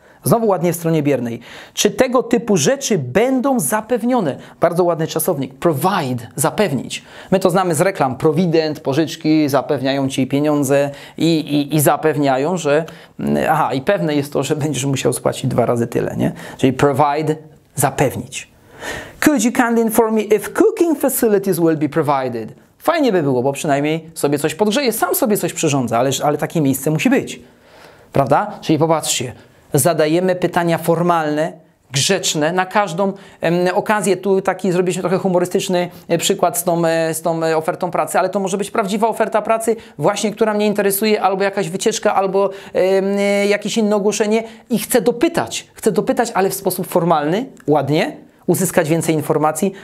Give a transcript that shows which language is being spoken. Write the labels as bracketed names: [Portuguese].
[Polish] Znowu ładnie w stronie biernej. Czy tego typu rzeczy będą zapewnione? Bardzo ładny czasownik. Provide, zapewnić. My to znamy z reklam. Provident, pożyczki, zapewniają ci pieniądze i zapewniają, że... Aha, i pewne jest to, że będziesz musiał spłacić dwa razy tyle, nie? Czyli provide, zapewnić. [English] Could you kindly inform me if cooking facilities will be provided? [Polish] Fajnie by było, bo przynajmniej sobie coś podgrzeje, sam sobie coś przyrządzę, ale takie miejsce musi być. Prawda? Czyli popatrzcie. Zadajemy pytania formalne, grzeczne, na każdą okazję. Tu taki zrobiliśmy trochę humorystyczny przykład z tą ofertą pracy, ale to może być prawdziwa oferta pracy, właśnie, która mnie interesuje, albo jakaś wycieczka, albo jakieś inne ogłoszenie i chcę dopytać, ale w sposób formalny, ładnie, uzyskać więcej informacji.